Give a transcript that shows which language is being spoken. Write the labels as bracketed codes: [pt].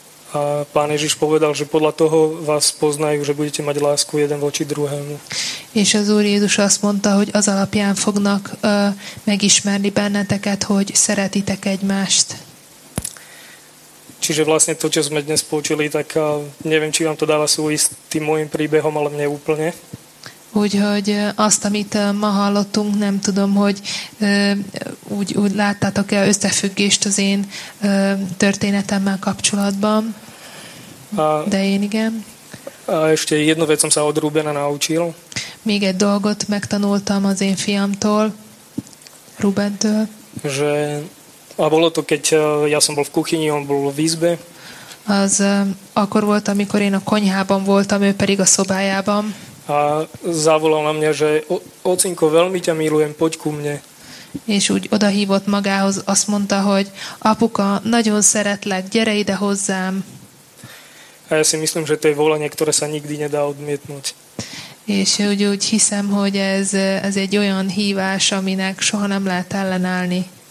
[sk] A Pán Ježiš povedal, že podľa toho vás poznajú, že budete mať lásku jeden voči druhému. [hu] És az Úr Jézus azt mondta, hogy az alapján fognak megismerni benneteket, hogy szeretitek egymást. [sk] Čiže vlastne to, čo sme dnes poučili, tak neviem, či vám to dáva súvisť tým môjim príbehom, ale mne úplne. [hu] Úgyhogy azt, amit ma hallottunk, nem tudom, hogy úgy láttátok-e összefüggést az én történetemmel kapcsolatban, de én igen. [sk] A ešte jednu vec som sa od Rubena naučil. [hu] Még egy dolgot megtanultam az én fiamtól, Rubentől. [sk] Že, a bolo to, keď ja som bol v kuchyni, on bol v izbe. [hu] Az akkor volt, amikor én a konyhában voltam, ő pedig a szobájában. [sk] A zavolal na mňa, že ocinko, veľmi ťa milujem, poď ku mne. [hu] És úgy odahívott magához, azt mondta, hogy apuka, nagyon szeretlek, gyere ide hozzám. [sk] A ja si myslím, že to je volanie, ktoré sa nikdy nedá odmietnúť. [hu] És úgy hiszem, hogy ez egy olyan hívás, aminek soha nem lehet ellenállni.